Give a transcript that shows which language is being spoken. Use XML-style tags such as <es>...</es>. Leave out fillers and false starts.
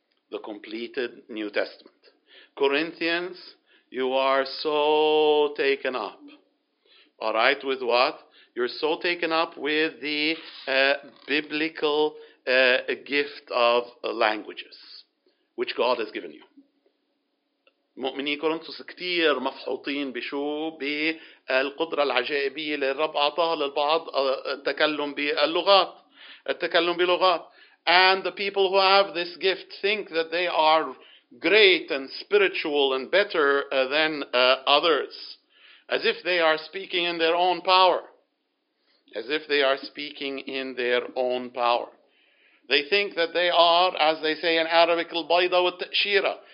<en>The completed New Testament. Corinthians, you are so taken up. All right, with what? You're so taken up with the biblical gift of languages, which God has given you.</en> <ar>مؤمني كورنثوس كتير مفحوطين بشو بالقدرة العجائبية اللي الرب أعطاها للبعض, التكلم باللغات, التكلم بلغات.</ar> <en>And the people who have this gift think that they are great and spiritual and better than others, as if they are speaking in their own power. As if they are speaking in their own power. They think that they are, as they say in Arabic,</en> <ar>al-bayda wa al-ta'shira.</ar>